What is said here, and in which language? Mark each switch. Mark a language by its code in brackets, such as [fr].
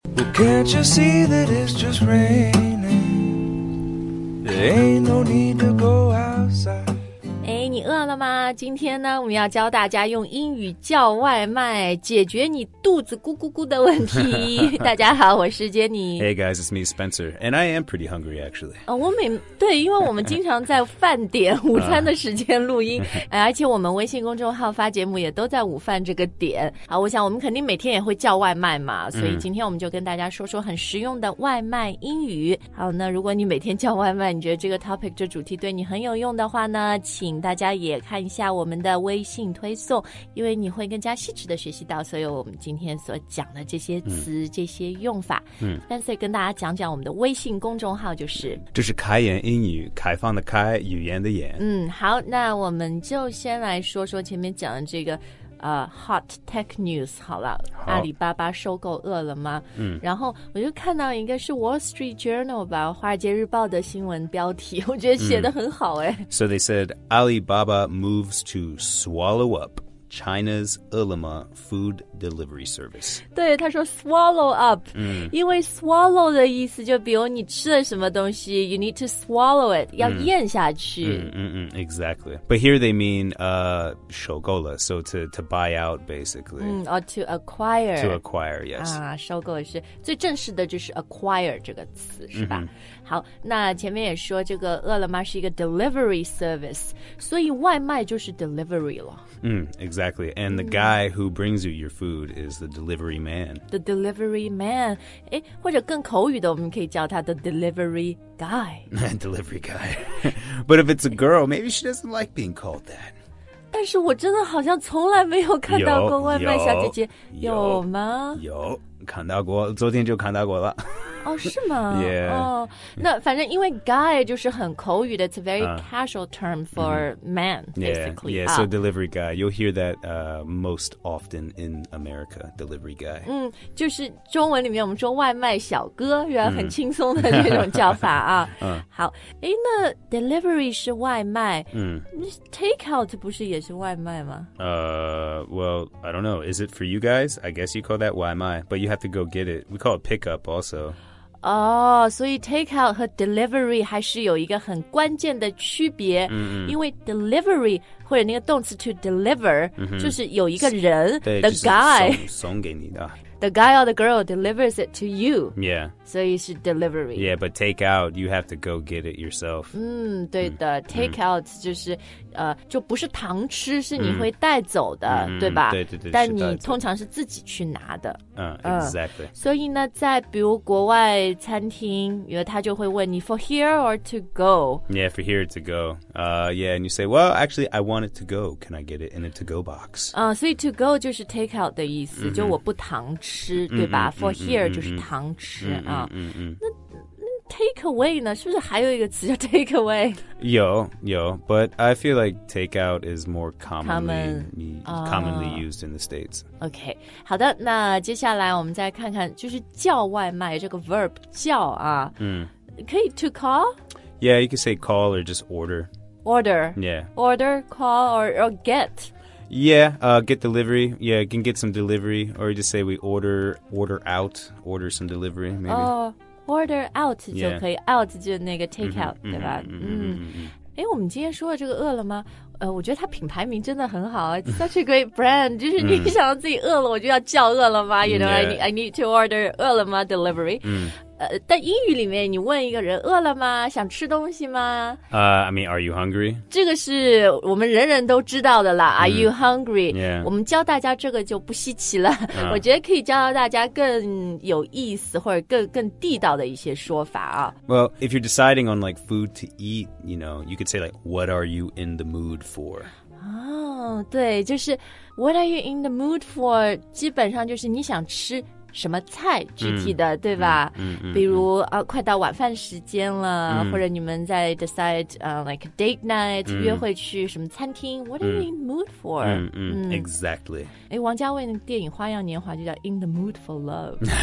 [en] Well, can't you see that it's just raining? There ain't no need to go outside. [zh] 哎，你饿了吗？今天呢，我们要教大家用英语叫外卖，解决你肚子咕咕咕的问题。大家好，我是 Jenny。 [en] Hey guys, it's me, Spencer. And I am pretty hungry, actually. [zh] 因为我们经常在饭点午餐的时间录音，而且我们微信公众号发节目也都在午饭这个点。好，我想我们肯定每天也会叫外卖嘛，所以今天我们就跟大家说说很实用的外卖英语。好，那如果你每天叫外卖，你觉得这个 topic 这主题对你很有用的话呢，请大家也看一下我们的微信推送，因为你会更加细致的学习到所有我们今天所讲的这些词、这些用法。 Spencer 跟大家讲讲我们的微信公众号，就是这是开言英语，开放的开，语言的言。好，那我们就先来说说前面讲的这个Hot Tech News 好了，阿里巴巴收购饿了吗？然后我就看到一个是 Wall Street Journal 吧，华尔街日报的新闻标题，我觉得写得很好哎。 [en] So they said Alibaba moves to swallow up China's 饿了么 food delivery service. [zh] 对，他说 swallow up， 因为 swallow 的意思就比如你吃了什么东西 ， [en] you need to swallow it， [zh] 要咽下去。 [en] Exactly. But here they mean收购了 ，so to buy out basically. Or to acquire. To acquire, yes. [zh] 啊，收购是最正式的，就是 acquire 这个词是吧？好，那前面也说这个饿了么是一个 delivery service， 所以外卖就是 delivery 了。 [en] Exactly. And the guy who brings you your food is the delivery man. The delivery man. [zh] 诶，或者更口语的，我们可以叫他 the delivery guy. [en] Delivery guy. But if it's a girl, maybe she doesn't like being called that. [zh] 但是我真的好像从来没有看到过外卖小姐姐，有吗？有，看到过，昨天就看到过了。哦，是吗？ [en] yeah. [zh] 哦，那反正因为 [en] guy [zh] 就是很口语的， [en] it's a very casual term for man, basically. Yeah, so delivery guy, you'll hear that most often in America, delivery guy. [zh] 就是中文里面我们说外卖小哥，原来很轻松的这种叫法啊。好，诶，那 delivery 是外卖，takeout 不是也是外卖吗？ [en] Well, I don't know. Is it for you guys? I guess you call that 外卖, but you have to go get it. We call it pickup also. [zh] Oh, so takeout 和 delivery 还是有一个很关键的区别。因为 delivery 或者那个动词 to deliver 就是有一个人 the guy 送给你的。 [en] The guy or the girl delivers it to you. Yeah. So it's delivery. Yeah, but take out, you have to go get it yourself. [zh] 对的 ,take out 就是就不是堂吃，是你会带走的，对吧？对对对。但你通常是自己去拿的。 [en] Exactly. [zh] 所以呢，在比如国外餐厅，有他就会问你 [en] for here or to go? Yeah, for here or to go. And you say, well, actually, I want it to go. Can I get it in a to-go box? [zh] 所以 to go 就是 take out 的意思，就我不堂吃，对吧？ For here 就是堂吃啊。 Take away 呢？是不是还有一个词叫 take away？有 [en] ，but I feel like take out is more commonly used in the States. [zh] Okay， 好的，那接下来我们再看看，就是叫外卖这个 verb 叫啊，可以 to call？ [en] Yeah， you can say call or just order. Order. Yeah. Order, call, or get. Yeah, get delivery. Yeah, you can get some delivery. Or you just say we order out, order some delivery, maybe. [zh] Oh, order out 就可以 out 就那个 take out, 对吧？诶，我们今天说的这个饿了吗？我觉得它品牌名真的很好啊 ， [en] such a great brand. [zh] 就是你想要自己饿了，我就要叫饿了吗？ [en] You know, I need to order 饿了吗 delivery. [zh] 但英语里面你问一个人饿了吗？想吃东西吗？ [en] I mean, are you hungry? [zh] 这个是我们人人都知道的啦。 [en] Are you hungry? Yeah. [zh] 我们教大家这个就不稀奇了。我觉得可以教到大家更有意思或者更地道的一些说法啊。 [en] Well, if you're deciding on like food to eat, you know, you could say like, what are you in the mood for? [zh] 对，就是 [en] what are you in the mood for? [zh] 基本上就是你想吃什么菜具体的对吧比如快到晚饭时间了或者你们在 decide like date night 约会去什么餐厅 [en] what are you in the mood for? Exactly. [zh] 诶王家卫的电影花样年华就叫 in the mood for love.